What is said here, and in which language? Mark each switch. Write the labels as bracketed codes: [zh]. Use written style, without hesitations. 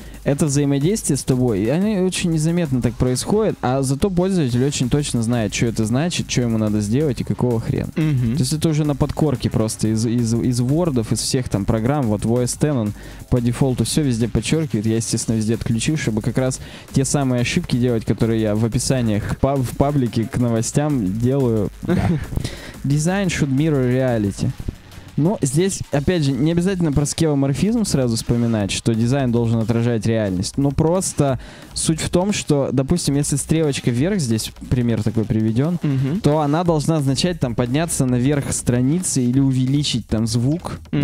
[ru] это взаимодействие с тобой, и они очень незаметно так происходят, а зато пользователь очень точно знает, что это значит, что ему надо сделать и какого хрена. Угу. То есть это уже на подкорке просто из Word'ов, из всех там программ, вот в OS X он по дефолту все везде подчеркивает, я, естественно, везде отключил, чтобы как раз те самые ошибки делать, которые я в описаниях в паблике к новостям делаю. [en] Design should mirror reality. [ru] Но здесь, опять же, не обязательно про скевоморфизм сразу вспоминать, что дизайн должен отражать реальность. Но просто суть в том, что, допустим, если стрелочка вверх, здесь пример такой приведен, mm-hmm. то она должна означать там подняться наверх страницы или увеличить там звук, mm-hmm.